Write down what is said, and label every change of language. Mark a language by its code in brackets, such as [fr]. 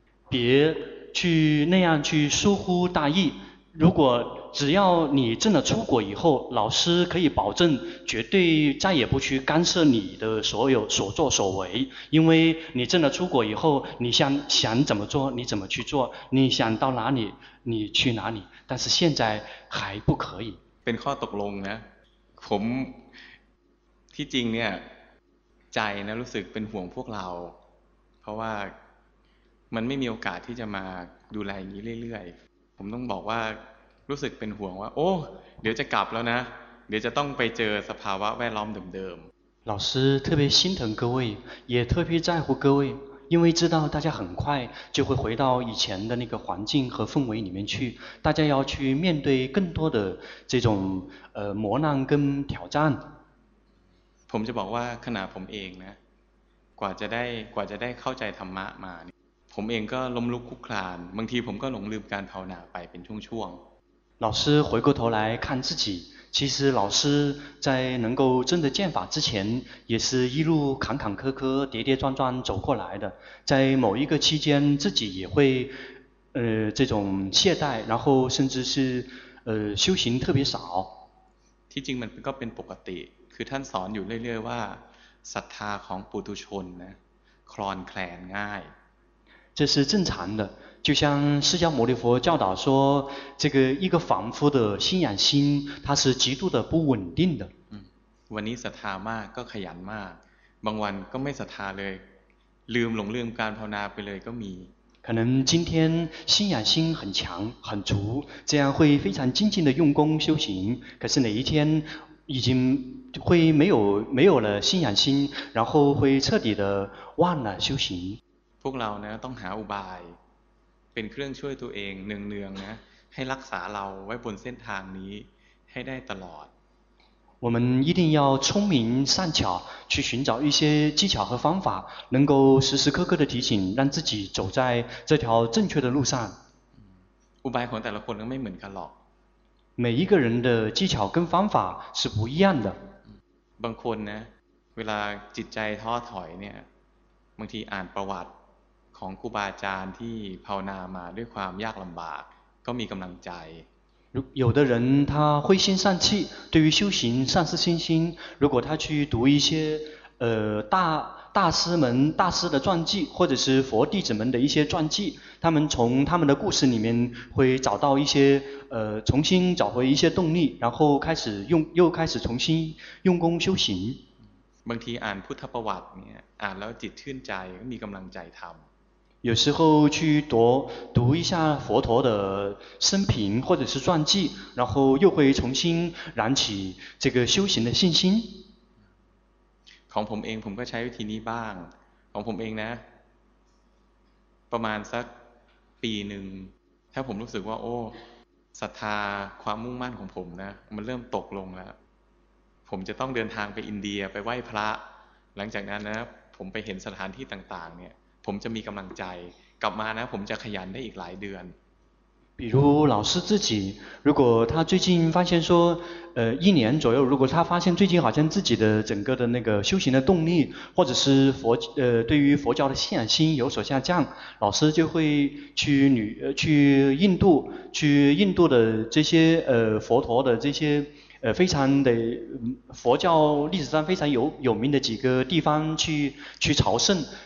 [zh] 别去那样去疏忽大意如果只要你正了出谷以后老师可以保证绝对再也不去干涉你的所有所作所为因为你正了出谷以后你想怎么做你怎么去做你想到哪里你去哪里但是现在还不可以 [th] เป็นข้อตกลงนะผมที่จริงเนี่ยใจนะรู้สึกเป็นห่วงพวกเราเพราะว่ามันไม่มีโอกาสที่จะมาดูแลอย่างนี้เรื่อยๆผมต้องบอกว่ารู้สึกเป็นห่วงว่าโอ้เดี๋ยวจะกลับแล้วนะเดี๋ยวจะต้องไปเจอสภาวะแวดล้อมเดิม [zh] ๆ老师特别心疼各位也特别在乎各位因为知道大家很快就会回到以前的那个环境和氛围里面去大家要去面对更多的这种磨难跟挑战 [th] ผมจะบอกว่าขณะผมเองนะกว่าจะได้เข้าใจธรรมะมาผมเองก็ล้มลุกคลุกคลานบางทีผมก็หลงลืมการภาวนาไปเป็นช่วง [zh] ๆ老师回过头来看自己其实老师在能够真的见法之前也是一路坎坎坷坷跌跌撞撞走过来的在某一个期间自己也会这种懈怠然后甚至是修行特别少 [th] ที่จริงมันก็เป็นปกติคือท่านสอนอยู่เรื่อยๆว่าศรัทธาของปุถุชนนะคลอนแคลนง่าย [zh] 这是正常的就像释迦牟尼佛教导说这个一个凡夫的信仰心它是极度的不稳定的 [th] วันนี้ศรัทธามากก็ขยันมากบางวันก็ไม่ศรัทธาเลยลืมหลงลืมการภาวนาไปเลยก็มี [zh] 可能今天信仰心很强很足这样会非常精进的用功修行可是哪一天已经会没有了信仰心然后会彻底的忘了修行 [th] พวกเราเนี่ยต้องหาอุบายเป็นเครื่องช่วยตัวเองเนืองๆ นะให้รักษาเราไว้บนเส้นทางนี้ให้ได้ตลอด [zh] 我们一定要聪明善巧去寻找一些技巧和方法能够时时刻刻的提醒让自己走在这条正确的路上 [th] อุบายของแต่ละคนก็ไม่เหมือนกันหรอก [zh] 每一个人的技巧跟方法是不一样的 [th] บางคนนะเวลาจิตใจท้อถอยเนี่ยบางทีอ่านประวัติของครูบาอาจารย์ที่ภาวนามาด้วยความยากลำบากก็มีกำลังใจ [zh] 有的人他灰心丧气，对于修行丧失信心。如果他去读一些大师们大师的传记，或者是佛弟子们的一些传记，他们从他们的故事里面会找到一些重新找回一些动力，然后开始用又开始重新用功修行。 [th] บางทีอ่านพุทธประวัติเนี่ยอ่านแล้วจิตชื่นใจก็มีกำลังใจทำ。 [zh] 有时候去读一下佛陀的生平或者是传记，然后又会重新燃起这个修行的信心。 [th] ของผมเองผมก็ใช้วิธีนี้บ้างของผมเองนะประมาณสักปีหนึ่งถ้าผมรู้สึกว่าโอ้ศรัทธาความมุ่งมั่นของผมนะมันเริ่มตกลงแล้วผมจะต้องเดินทางไปอินเดียไปไหว้พระหลังจากนั้นนะผมไปเห็นสถานที่ต่างๆเนี่ยผมจะมีกำลังใจกลับมานะผมจะขยันได้อีกหลายเดือน [zh] 比如老师自己，如果他最近发现说，一年左右，如果他发现最近好像自己的整个的那个修行的动力，或者是对于佛教的信仰心有所下降，老师就会去印度，去印度的这些佛陀的这些非常的佛教历史上非常有名的几个地方去朝圣。